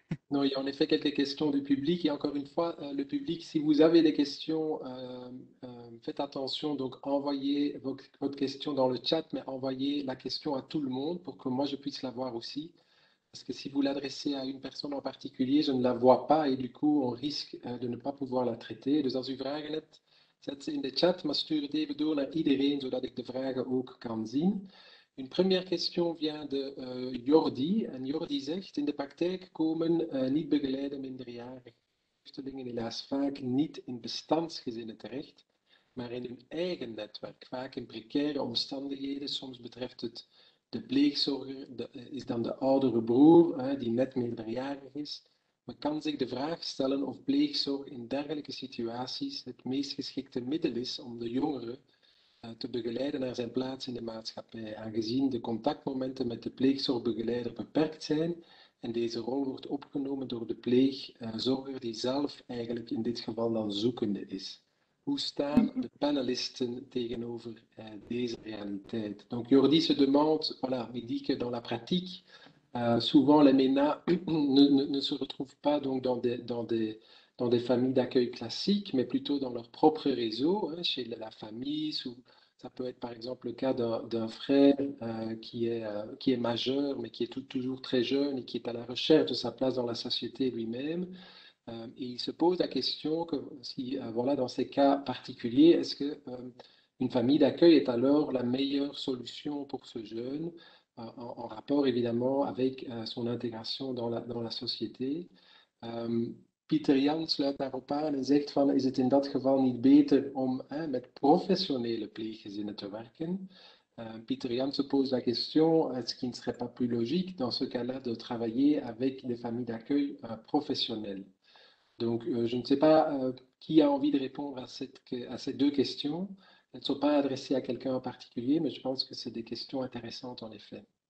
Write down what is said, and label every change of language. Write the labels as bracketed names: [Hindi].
[French] Non, il y a en effet quelques questions du public, et encore une fois, le public, si vous avez des questions, faites attention, donc envoyez votre question dans le chat, mais envoyez la question à tout le monde pour que moi je puisse la voir aussi, parce que si vous l'adressez à une personne en particulier, je ne la vois pas, et du coup on risque de ne pas pouvoir la traiter. [Dutch] Dus als u vragen hebt, zet ze in de chat, maar stuur het even door naar iedereen, zodat ik de vragen ook kan zien. [French] Une première question vient de Jordi, [Dutch] en Jordi zegt: in de praktijk komen niet begeleide minderjarige vluchtelingen helaas vaak niet in bestandsgezinnen terecht, maar in hun eigen netwerk, vaak in precaire omstandigheden. Soms betreft het de pleegzorger, is dan de oudere broer die net minderjarig is. Men kan zich de vraag stellen of pleegzorg in dergelijke situaties het meest geschikte middel is om de jongeren te begeleiden naar zijn plaats in de maatschappij, aangezien de contactmomenten met de pleegzorgbegeleider beperkt zijn en deze rol wordt opgenomen door de pleegzorger die zelf eigenlijk in dit geval dan zoekende is. Hoe staan de panelisten tegenover deze realiteit? [French] Donc Jordi se demande, voilà, il dit que dans la pratique, souvent les MENA ne se retrouvent pas donc dans des familles d'accueil classiques, mais plutôt dans leur propre réseau, chez la famille. Ça peut être par exemple le cas d'un frère qui est majeur, mais qui est toujours très jeune et qui est à la recherche de sa place dans la société lui-même. Et il se pose la question que si, voilà, dans ces cas particuliers, est-ce que une famille d'accueil est alors la meilleure solution pour ce jeune, en rapport évidemment avec son intégration dans la société. [Dutch] Pieter Jan sluit daarop aan en zegt van: is het in dat geval niet beter om met professionele pleeggezinnen te werken? [French] Pieter Jan se pose la question: est-ce qu'il ne serait pas plus logique dans ce cas-là de travailler avec des familles d'accueil professionnelles? Donc, je ne sais pas qui a envie de répondre à ces deux questions. Elles ne sont pas adressées à quelqu'un en particulier, mais je pense que c'est des questions intéressantes en effet.